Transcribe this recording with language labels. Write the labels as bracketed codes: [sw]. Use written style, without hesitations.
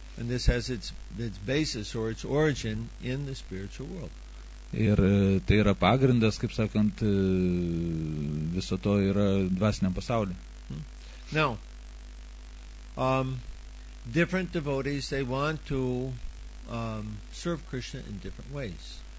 [en] And this has its basis or its origin in the spiritual world. [lt] Ir tai yra pagrindas, kaip sakant, viso to yra dvasiniam pasaulyje. [en] Now, different devotees, they want to serve Krishna in different ways.